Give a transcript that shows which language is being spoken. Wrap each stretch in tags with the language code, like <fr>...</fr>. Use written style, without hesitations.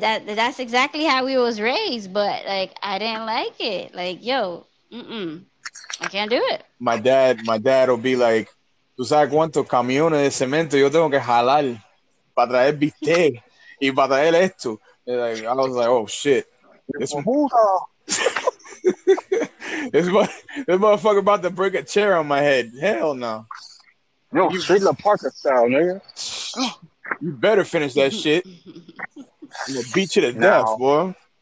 <en>That's exactly how we was raised, but like I didn't like it. Like, yo, I can't do it. My dad will be like,</en> <es>¿tú sabes cuántos camiones de cemento yo tengo que jalar para traer bistec y para traer esto?</es> <en>Like, I was like, oh shit. This motherfucker about to break a chair on my head. Hell no. Yo, you straight La Parker style, nigga. You better finish that shit. I'm gonna beat you to death, boy.</en>